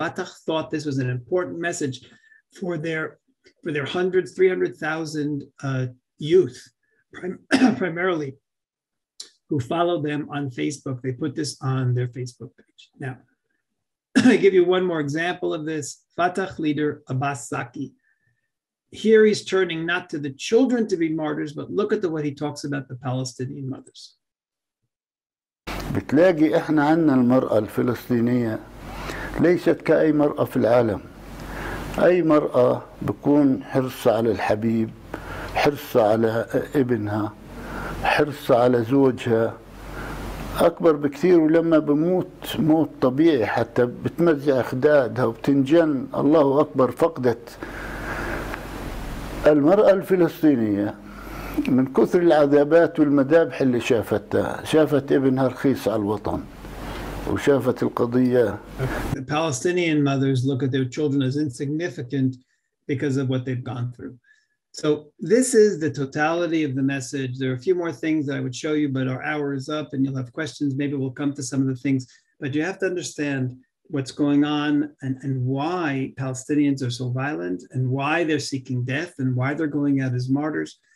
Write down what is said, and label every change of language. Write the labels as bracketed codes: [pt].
[en] Fatah thought this was an important message for their hundreds, 300,000 youth, primarily, who followed them on Facebook. They put this on their Facebook page. Now, I give you one more example of this. Fatah leader Abbasaki. Here he's turning not to the children to be martyrs, but look at the way he talks about the Palestinian mothers. [ar] بتلاقي احنا عندنا المرأة الفلسطينية ليست كأي مرأة في العالم أي مرأة بكون حرصها على الحبيب حرصها على ابنها حرصها على زوجها أكبر بكثير ولما بموت موت طبيعي حتى بتمزع خدادها وبتنجن الله أكبر فقدت المرأة الفلسطينية من كثر العذابات والمذابح اللي شافتها شافت ابنها رخيص على الوطن وشافت القضية [en] The Palestinian mothers look at their children as insignificant because of what they've gone through. So this is the totality of the message. There are a few more things that I would show you, but our hour is up and you'll have questions. Maybe we'll come to some of the things, but you have to understand what's going on and why Palestinians are so violent and why they're seeking death and why they're going out as martyrs.